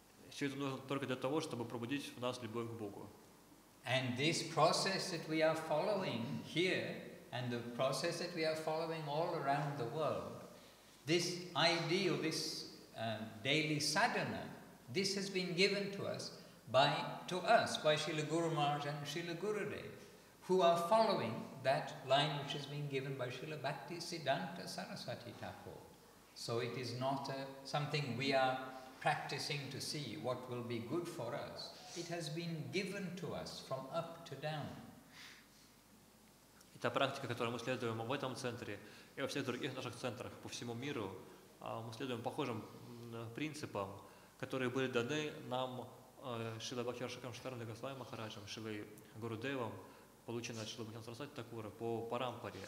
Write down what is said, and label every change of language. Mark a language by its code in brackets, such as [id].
[ru] Все это нужно только для того, чтобы пробудить в нас любовь к Богу. [en] And this process that we are following here, and the process that we are following all around the world, this ideal, this daily sadhana, this has been given to us by Srila Guru Maharaj and Srila Gurudev, who are following that line which has been given by Srila Bhakti Siddhanta Saraswati Thakur. So it is not something we are practicing to see what will be good for us. It has been given to us from up to down. [ru] Эта практика, которую мы следуем в этом центре и во всех других наших центрах по всему миру, мы следуем похожим принципам, которые были даны нам Шрила Бхактивинодом Шакаром Госвами Махараджем, Шрилой Гурудевом, полученные от Шрилы Бхактивинода Сарасвати Такура по парампаре.